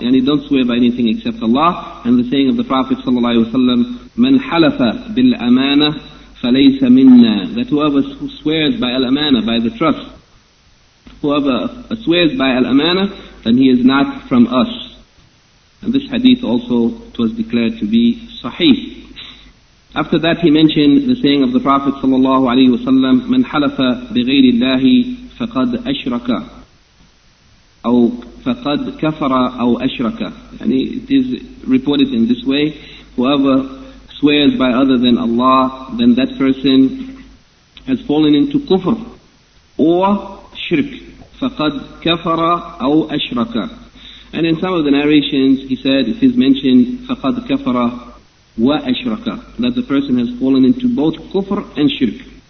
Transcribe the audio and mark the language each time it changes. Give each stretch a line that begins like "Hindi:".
English: Yani don't swear by anything except Allah. And the saying of the Prophet sallallahu alaihi wasallam,
Arabic: من حلف بالأمانة فليس منا,
English: that whoever swears by al-amana, by the trust, whoever swears by al-amana, then he is not from us. And this hadith also, it was declared to be sahih. After that, he mentioned the saying of the Prophet sallallahu alaihi wasallam,
Arabic: من حلف بغير الله فقد أشرك أو فقد كفر أو أشرك.
English: And it is reported in this way, whoever swears by other than Allah, then that person has fallen into kufr or shirk.
Arabic: فَقَدْ كَفَرَ أَوْ أَشْرَكَ.
English: And in some of the narrations, he said, it is mentioned,
Arabic: فَقَدْ كَفَرَ وَأَشْرَكَ,
English: that the person has fallen into both kufr and shirk.